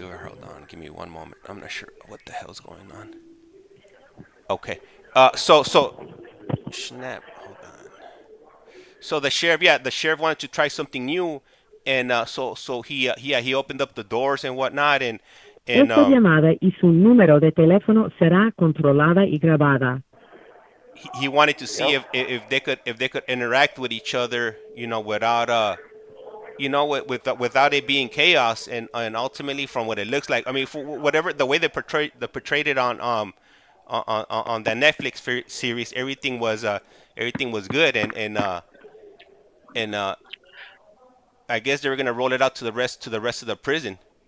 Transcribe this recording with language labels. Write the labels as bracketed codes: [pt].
[en] Hold on, give me one moment. I'm not sure what the hell's going on. Okay, snap. Hold on. So the sheriff wanted to try something new. And he opened up the doors and whatnot, and [es] esta llamada y su número de teléfono será controlada y grabada. [en] He wanted to see if they could interact with each other, you know, without without it being chaos, and ultimately, from what it looks like, I mean, for whatever the way they portrayed it on the Netflix series, everything was good, and I guess they were gonna roll it out to the rest of the prison.